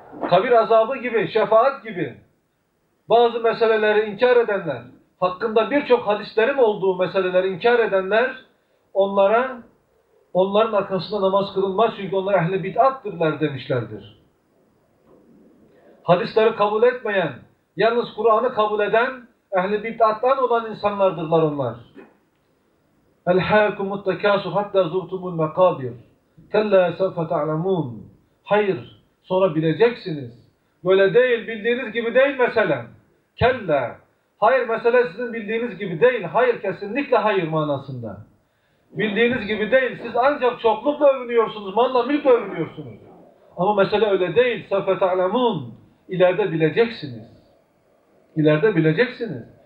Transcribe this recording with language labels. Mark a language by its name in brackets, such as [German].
[Turkish] Kabir azabı gibi, şefaat gibi bazı meseleleri inkar edenler, hakkında birçok hadislerin olduğu meseleleri inkar edenler, onların arkasında namaz kılınmaz çünkü onlar ehl-i bid'attırlar demişlerdir. Hadisleri kabul etmeyen, yalnız Kur'an'ı kabul eden, ehl-i bid'attan olan insanlardırlar onlar. [Arabic] اَلْحَاكُمُ التَّكَاسُ حَتَّى زُرْتُمُ الْمَقَابِرِ كَلَّا سَوْفَ تَعْلَمُونَ [Turkish] Hayır, sonra bileceksiniz. Böyle değil, bildiğiniz gibi değil mesele. كَلَّا Hayır, mesele sizin bildiğiniz gibi değil. Hayır, kesinlikle hayır manasında. Bildiğiniz gibi değil. Siz ancak çoklukla övünüyorsunuz, manla mülkle övünüyorsunuz. Ama mesele öyle değil. [Arabic] سَوْفَ تَعْلَمُونَ [Turkish] İleride bileceksiniz. İleride bileceksiniz.